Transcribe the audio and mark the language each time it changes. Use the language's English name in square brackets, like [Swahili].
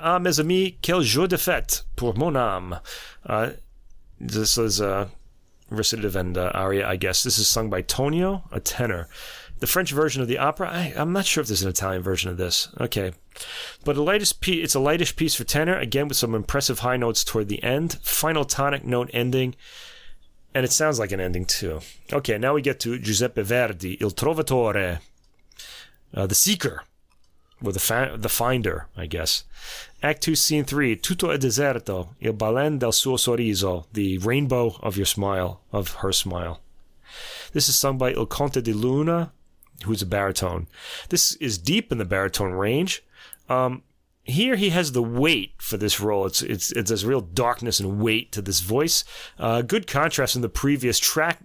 [French] Ah, mes amis, quel jour de fête pour mon âme. [English] This is a recitative and aria, I guess. This is sung by Tonio, a tenor. The French version of the opera, I'm not sure if there's an Italian version of this. Okay. But it's a lightish piece for tenor, again with some impressive high notes toward the end. Final tonic note ending. And it sounds like an ending too. Okay, now we get to Giuseppe Verdi, Il Trovatore. The Seeker. Or the Finder, I guess. Act 2, Scene 3. [Italian] Tutto è deserto, il balen del suo sorriso. [English] The rainbow of your smile, of her smile. This is sung by Il Conte di Luna, who's a baritone. This is deep in the baritone range. Here he has the weight for this role. It's this real darkness and weight to this voice. Good contrast in the previous track.